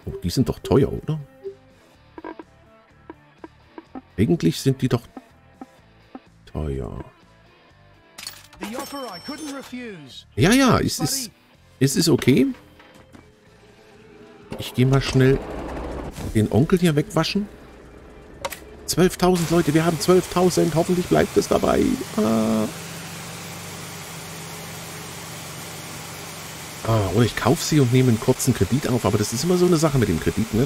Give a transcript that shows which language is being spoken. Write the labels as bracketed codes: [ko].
[de] Oh, die sind doch teuer, oder? Eigentlich sind die doch teuer. [en] The offer I couldn't refuse. [de] Ja, ja, es ist okay. Ich gehe mal schnell den Onkel hier wegwaschen. 12.000 Leute, wir haben 12.000. Hoffentlich bleibt es dabei. Oh, oder ich kaufe sie und nehme einen kurzen Kredit auf, aber das ist immer so eine Sache mit dem Kredit, ne?